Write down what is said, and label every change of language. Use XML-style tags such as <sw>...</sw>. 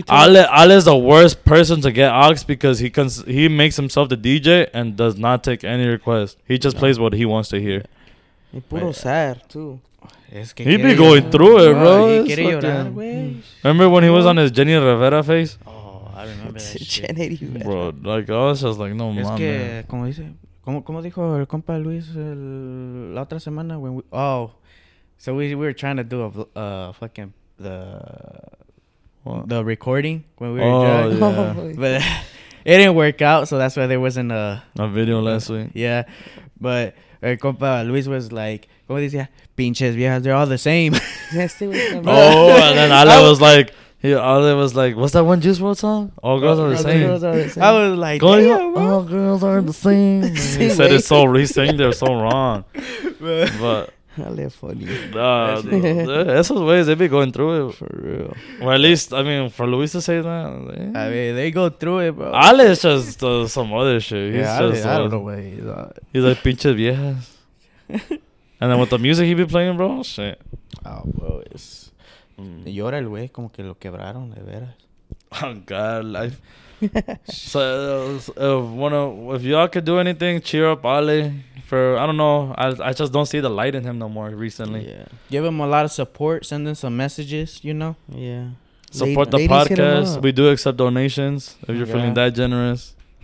<en>Ale is the worst person to get aux because he makes himself the DJ and does not take any requests. He just plays what he wants to hear.</en> <es>Y puro</es> <en>sad, too. He be going through it, bro. Remember when he was on his Jenny Rivera face? Oh, I remember that Jenny shit. Rivera. Bro, like, I was just like, no, man.</en> <es>Es que, como dice, como dijo el compa Luis la otra semana</es> <en>when we... Oh. So we were trying to do the recording when we were driving. Yeah. But it didn't work out, so that's why there wasn't a video last week. Yeah. But compa Luis was like, What is yeah?</en> <es>Pinches viejas,</es> <en>they're all the same. Oh, and then Ale was like, what's that one Juice WRLD song? All girls are the same. I was like, all girls are the same. He said it so recent, they're so wrong. But Ale funny. Nah,</en> <es>esos</es> <en>ways they be going through it. For real. Or at least, I mean, for Luis to say that. Yeah. I mean, they go through it, bro. Ale is just some other shit. I don't know what he's on. He's like,</en> <es>pinches viejas.</es> <en>And then with the music he be playing, bro, shit. Oh, bro, it's...</en> <es>Llora el güey, como que lo quebraron, de veras.</es> <en>Oh, God, life. So, if y'all could do anything, cheer up Ale. For, I don't know, I just don't see the light in him no more recently. Yeah. Give him a lot of support, send him some messages, you know? Yeah. Support the podcast. We do accept donations, if you're feeling that generous.</en>